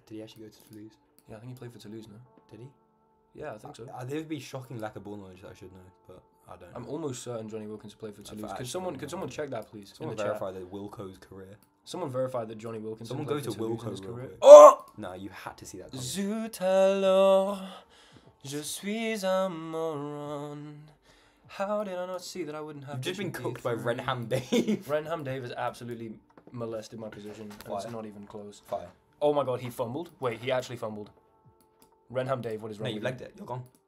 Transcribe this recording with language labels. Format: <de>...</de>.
<en>Did he actually go to Toulouse? Yeah, I think he played for Toulouse, no? Did he? Yeah, I think so. There would be shocking lack of ball knowledge that I should know, but I don't know. I'm almost certain Johnny Wilkinson played for Toulouse. Could someone check that, please? Someone verify that Wilco's career. Someone verify that Johnny Wilkinson someone go to Wilco's career. Oh! No, you had to see that.</en> <fr>Zut alors, je suis un moron.</fr> <en>How did I not see that I wouldn't have... You've just been cooked by Renham Dave. Renham Dave has absolutely molested my position. And it's not even close. Fire. Oh my god, he fumbled. Wait, he actually fumbled. Renham Dave, what is wrong? No, you legged it. You're gone.</en>